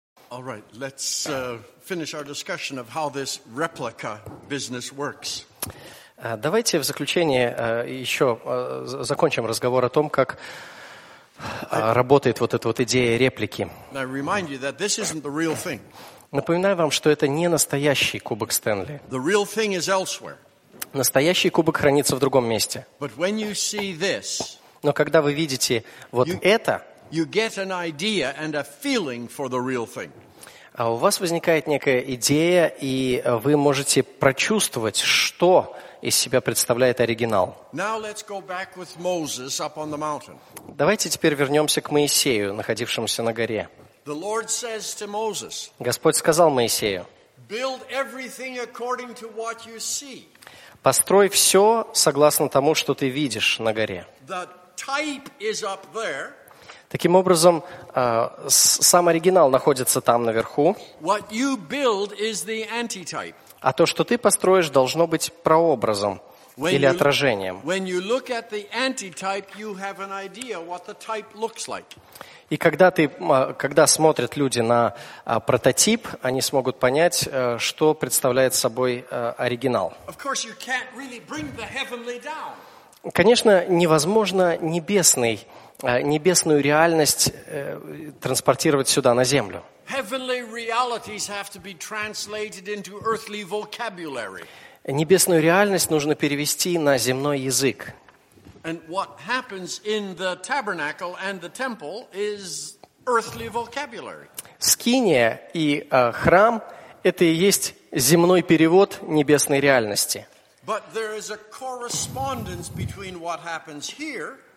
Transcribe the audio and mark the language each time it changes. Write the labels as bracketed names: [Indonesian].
[English] All right, let's finish our discussion of how this replica business works. [Russian] Давайте в заключение еще закончим разговор о том, как работает вот эта вот идея реплики. [English] I remind you that this isn't the real thing. [Russian] Напоминаю вам, что это не настоящий кубок Стэнли. [English] The real thing is elsewhere. [Russian] Настоящий кубок хранится в другом месте. [English] But when you see this, [Russian] но когда вы видите вот это, [English] you get an idea and a feeling for the real thing. [Russian] А у вас возникает некая идея, и вы можете прочувствовать, что из себя представляет оригинал. [English] Now let's go back with Moses up on the mountain. [Russian] Давайте теперь вернемся к Моисею, находившемуся на горе. [English] The Lord says to Moses, [Russian] Господь сказал Моисею, [English] build everything according to what you see. [Russian] Построй все согласно тому, что ты видишь на горе. [English] The type is up there. [Russian] Таким образом, сам оригинал находится там, наверху. [English] What you build is the anti-type. [Russian] А то, что ты построишь, должно быть прообразом when или отражением. [English] When you look at the anti-type, you have an idea what the type looks like. [Russian] И когда смотрят люди на прототип, они смогут понять, что представляет собой оригинал. [English] Of course, you can't really bring the heavenly down. [Russian] Конечно, невозможно небесную реальность транспортировать сюда, на землю. [English] Heavenly realities have to be translated into earthly vocabulary. [Russian] Небесную реальность нужно перевести на земной язык. [English] And what happens in the tabernacle and the temple is earthly vocabulary. [Russian] Скиния и храм – это и есть земной перевод небесной реальности. [English] But there is a correspondence between what happens here.